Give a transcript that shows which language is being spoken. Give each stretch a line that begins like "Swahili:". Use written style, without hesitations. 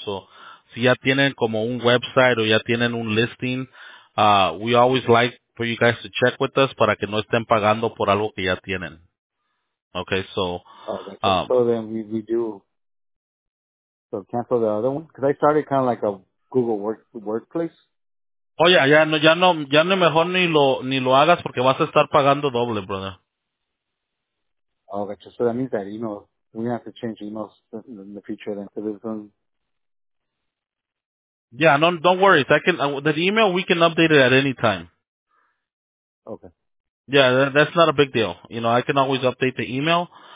Spanish: So, si ya tienen como un website o ya tienen un listing,
English: we always like for you guys to check with us
Spanish: para que no estén pagando por algo que ya tienen. Okay, so.
English: Okay, so then we do. So cancel the other one? Because I started kind of like a Google workplace. Oh, yeah,
Spanish: ya no, ya no, ya no mejor ni lo hagas porque vas a estar pagando doble, brother.
English: Oh, gotcha. So that means that email, we have to change emails in the future then to this one. Yeah, no, don't worry. That email, we can update it at any time. Okay. Yeah, that's not a big deal. You know, I can always update the email.